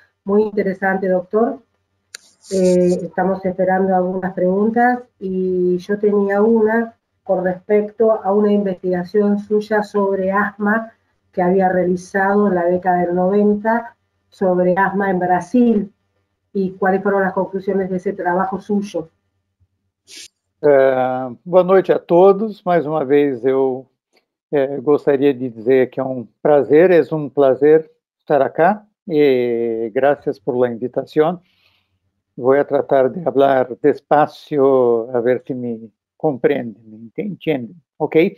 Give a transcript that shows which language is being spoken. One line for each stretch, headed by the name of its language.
Spanish: Muy interesante, doctor. Estamos esperando algunas preguntas y yo tenía una con respecto a una investigación suya sobre asma que había realizado en la década del 90 sobre asma en Brasil, y cuáles fueron las conclusiones de ese trabajo suyo.
Portuguese: Boa noite a todos. Mais uma vez eu gostaria de dizer que é um prazer estar acá.
Spanish: E gracias por la invitación. Voy a tratar de hablar despacio a ver si me comprenden, entienden, ¿ok?